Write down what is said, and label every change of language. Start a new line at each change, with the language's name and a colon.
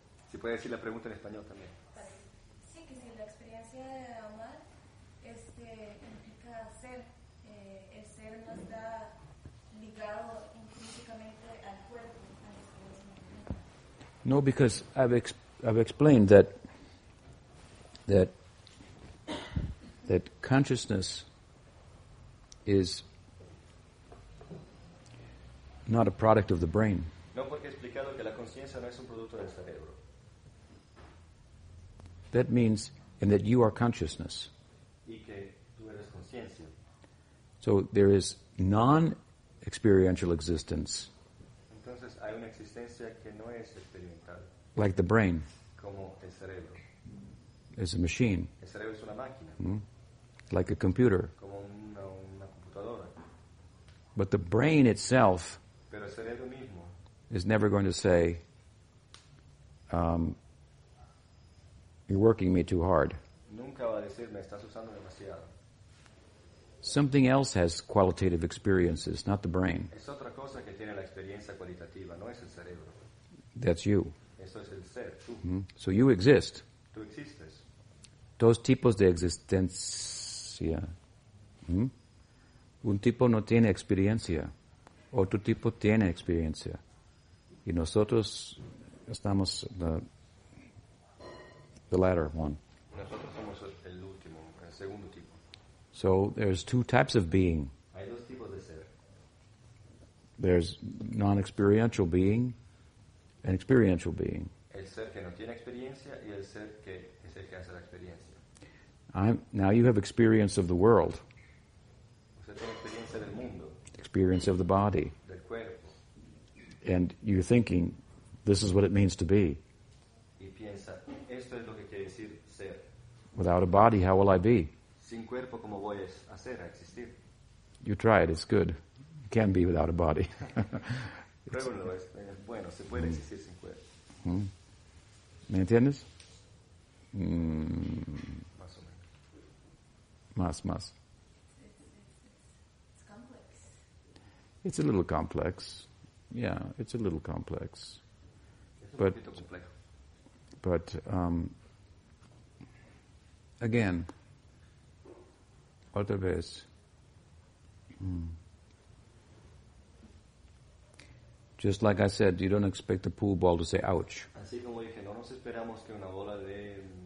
Spanish: Si puede decir la pregunta en español también. Sí, que si la experiencia de amar implica ser, el ser no está ligado intrínsecamente al cuerpo, al espíritu.
English: No, because I've explained that consciousness is not a product of the brain.
Spanish: No, porque he explicado que la conciencia no es un producto del cerebro.
English: That means, and that you are consciousness.
Spanish: Y que tú eres consciencia.
English: So there is non-experiential existence.
Spanish: Entonces, hay una existencia que no es experimental.
English: Like the brain.
Spanish: Como el cerebro.
English: As a machine.
Spanish: El cerebro es una máquina.
English: Like a computer.
Spanish: Como una computadora.
English: But the brain itself,
Spanish: pero el cerebro mismo,
English: is never going to say, you're working me too hard.
Spanish: Nunca va a decir, me estás usando demasiado.
English: Something else has qualitative experiences, not the brain.
Spanish: Es otra cosa que tiene la experiencia cualitativa, no es el cerebro.
English: That's you.
Spanish: Eso es el ser, tú.
English: So you exist.
Spanish: Tú existes. Dos tipos de existencia. Un tipo no tiene experiencia. Otro tipo tiene experiencia. Y nosotros estamos...
English: The latter one.
Spanish: Nosotros somos el último, el segundo tipo.
English: So there's two types of being.
Spanish: Hay dos tipos de ser.
English: There's non-experiential being and experiential being.
Spanish: El ser que no tiene experiencia y el ser que es el que hace la experiencia.
English: Now you have experience of the world.
Spanish: Usted tiene experiencia del mundo.
English: Experience of the body.
Spanish: Del cuerpo.
English: And you're thinking, this is what it means to be.
Spanish: Y piensa, esto es lo que quiere decir ser.
English: Without a body, how will I be?
Spanish: Sin cuerpo, ¿cómo voy a hacer, a existir?
English: You try it, it's good. You can be without a body.
Spanish: Pruébalo, es bueno, se puede existir sin cuerpo. ¿Me entiendes? Más o menos. Más.
English: It's complex. It's a little complex. Yeah, it's a little complex.
Spanish: Es un poquito complejo.
English: But again,
Spanish: otra vez,
English: just like I said, you don't expect a pool ball to say ouch.
Spanish: Así como dije, no nos esperamos que una bola de